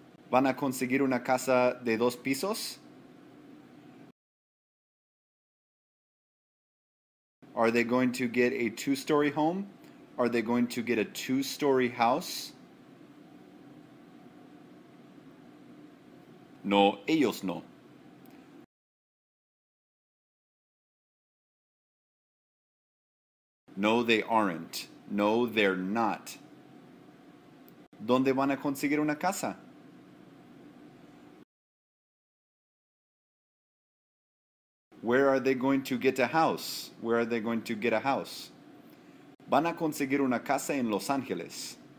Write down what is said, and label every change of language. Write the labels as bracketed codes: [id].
[es] ¿Van a conseguir una casa de dos pisos? [en] Are they going to get a two-story home? Are they going to get a two-story house? [es] No, ellos no. [en] No, they aren't. No, they're not. [es] ¿Dónde van a conseguir una casa? [en] Where are they going to get a house? Where are they going to get a house? [es] Van a conseguir una casa en Los Ángeles.